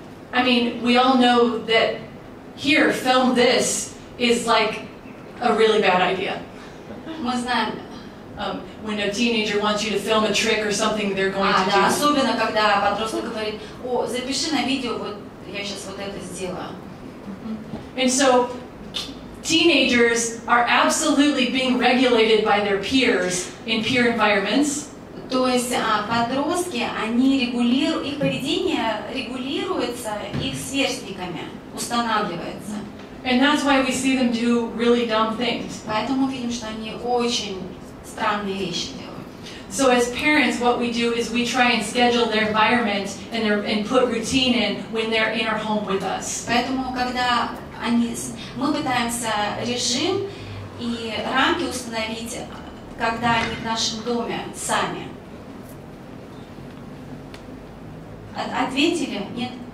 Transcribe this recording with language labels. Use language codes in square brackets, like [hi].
[en] I mean, we all know that here, film this, is like a really bad idea. [ru] Мы знаем. [en] When a teenager wants you to film a trick or something they're going to [ru] да, [en] do. [ru] Да, особенно когда подросток говорит, о, запиши на видео, вот я сейчас вот это сделаю. [en] And so teenagers are absolutely being regulated by their peers in peer environments. [ru] То есть подростки, они регулируют, их поведение регулируется их сверстниками, устанавливается. [en] And that's why we see them do really dumb things. [ru] Поэтому видим, что они очень странные вещи делают. [en] So as parents, what we do is we try and schedule their environment and their, and put routine in when they're in our home with us. [ru] Поэтому когда они, мы пытаемся режим и рамки установить, когда они в нашем доме сами. Ответили? Нет.